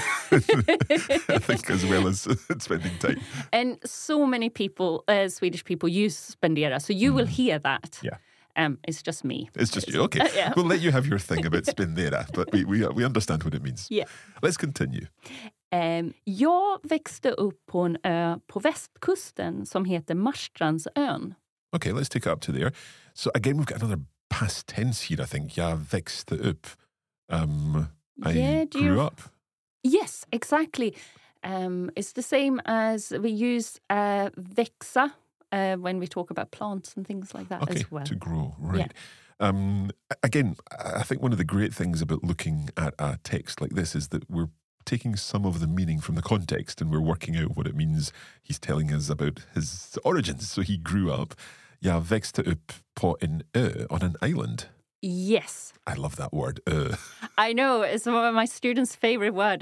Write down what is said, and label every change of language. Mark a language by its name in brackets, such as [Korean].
[English] Yeah. I think as well as spending time. And so many people, Swedish people, use spendera, so you will hear that. Yeah. It's just me. It's just you. Okay. Yeah. We'll let you have your thing about spendera, but we understand what it means. Yeah. Let's continue. [Swedish] Jag växte upp på en ö på västkusten som heter Marstrandsön. [English] Okay, let's take it up to there. So again, we've got another past tense here, I think. [Swedish] Jag växte upp. [English] I grew up. Yes, exactly. It's the same as we use växa. When we talk about plants and things like that, okay, as well. To grow, right. Yeah. Again, I think one of the great things about looking at a text like this is that we're taking some of the meaning from the context and we're working out what it means. He's telling us about his origins. So he grew up, [Swedish] jag växte upp på en ö, [English] on an island. Yes. I love that word, ö. I know, it's one of my students' favorite words.